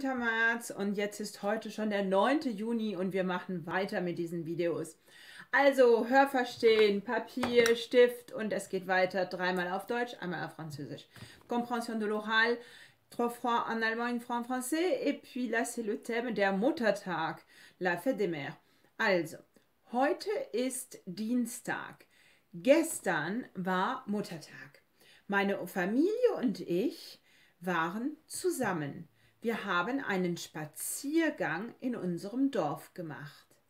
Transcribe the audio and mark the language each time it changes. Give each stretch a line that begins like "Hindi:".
German: März und jetzt ist heute schon der 9. Juni und wir machen weiter mit diesen Videos. Also, hör verstehen, Papier, Stift und es geht weiter. Dreimal auf Deutsch, einmal auf Französisch.
French: Compréhension de l'oral, trois fois en allemand, une fois en français. Et puis là, c'est le thème
German: der Muttertag,
French: la fête des mères.
German: Also, heute ist Dienstag. Gestern war Muttertag. Meine Familie und ich waren zusammen. Wir haben einen Spaziergang in unserem Dorf gemacht.